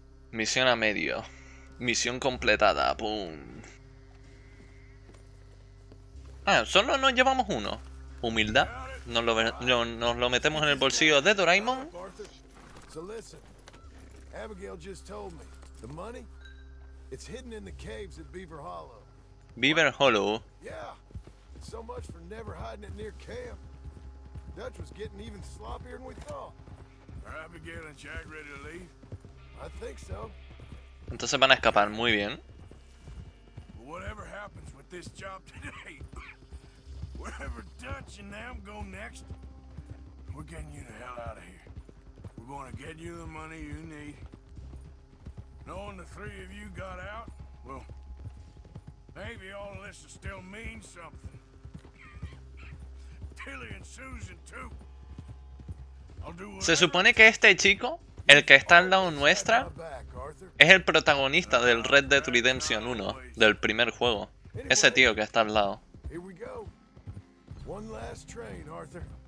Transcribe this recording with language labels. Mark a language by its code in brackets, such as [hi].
[es] Misión a medio. Misión completada. ¡Boom! Ah, solo nos llevamos uno. Humildad. Nos lo metemos en el bolsillo de Doraemon. [en] Abigail just told me. The money? It's hidden in the caves at Beaver Hollow. Beaver Hollow. Yeah. It's so much for never hiding it near camp. Dutch was getting even sloppier than we thought. Are Abigail and Jack ready to leave? I think so. [es] Entonces van a escapar, muy bien. [en] Whatever happens with this job today. Wherever Dutch and them go next, we're getting you the hell out of here. We're going to get you the money you need. Knowing the three of you got out, well, maybe all of this will still mean something. Tilly and Susan too. I'll do. [es] Se supone que este chico, el que está al lado nuestra, es el protagonista del Red Dead Redemption 1, del primer juego. Ese tío que está al lado. [en] One last train, Arthur.